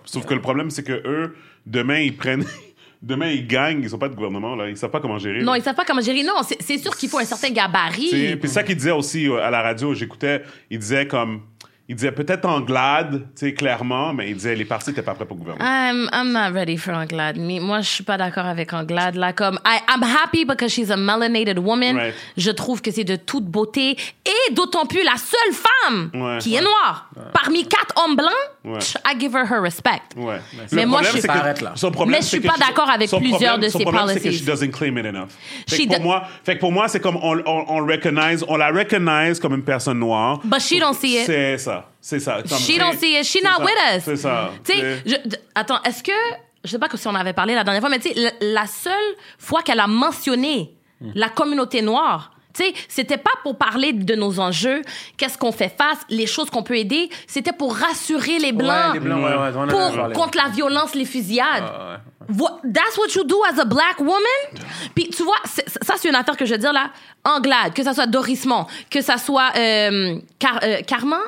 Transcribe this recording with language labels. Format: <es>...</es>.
<fr>Sauf que le problème, c'est que eux, demain, ils prennent... Demain, ils gagnent, ils n'ont pas de gouvernement, là. Ils savent pas comment gérer. Non, là. Ils savent pas comment gérer. Non, c'est sûr qu'il faut un certain gabarit. Puis ça qu'il disait aussi à la radio, j'écoutais, il disait peut-être Anglade, tu sais, clairement, mais il disait les partis n'étaient pas prêts pour le gouvernement.</fr> <en>I'm not ready for Anglade.</en> <fr>Moi, je suis pas d'accord avec Anglade, là.</fr> <en>Comme, I'm happy because she's a melanated woman. Right.</en> <fr>Je trouve que c'est de toute beauté et d'autant plus la seule femme qui est noire parmi 4 hommes blancs. Ouais.</fr> <en>I give her her respect.</en> <fr>Ouais. Mais moi, je suis pas. Mais je suis pas d'accord avec plusieurs de ses policies. Son problème, c'est que</fr> <en>she doesn't claim it enough.</en> <fr>Pour moi, c'est comme on la recognize comme une personne noire.</fr> <en>But she don't see it.</en> <fr>C'est ça.</fr> <en>She don't see it. She not with us.</en> <fr>C'est ça. Tu sais, attends. Est-ce que je sais pas si on avait parlé la dernière fois, mais tu sais, la seule fois qu'elle a mentionné la communauté noire. T'sais, c'était pas pour parler de nos enjeux, qu'est-ce qu'on fait face, les choses qu'on peut aider. C'était pour rassurer les Blancs, contre la violence, les fusillades.</fr> <en>That's what you do as a black woman?</en> <fr>Puis tu vois, ça c'est une affaire que je veux dire là. Anglade, que ça soit Dorismond, que ça soit Carman?</fr>